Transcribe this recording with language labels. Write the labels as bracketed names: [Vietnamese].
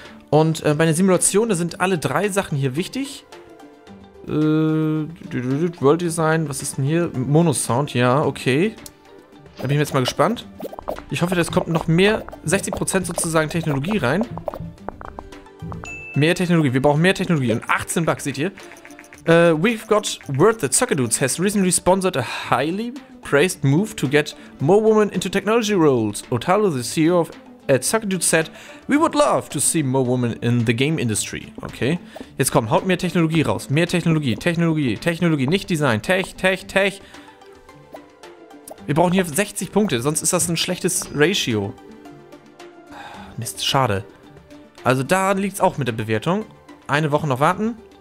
[German] Und bei einer Simulation, da sind alle drei Sachen hier wichtig. World Design, was ist denn hier? Monosound, ja, okay. Da bin ich jetzt mal gespannt. Ich hoffe, das kommt noch mehr, 60% sozusagen Technologie rein. Mehr Technologie, wir brauchen mehr Technologie. Und 18 Bucks, seht ihr? [English] We've got word that Zuckerdudes has recently sponsored a highly praised move to get more women into technology roles. Otalo, the CEO of Zuckerdudes said, we would love to see more women in the game industry. [German] Okay, jetzt komm, haut mehr Technologie raus. Mehr Technologie, Technologie, Technologie, nicht Design. Tech, Tech, Tech. Wir brauchen hier 60 Punkte, sonst ist das ein schlechtes Ratio. Mist, schade. Also daran liegt es auch mit der Bewertung. Eine Woche noch warten.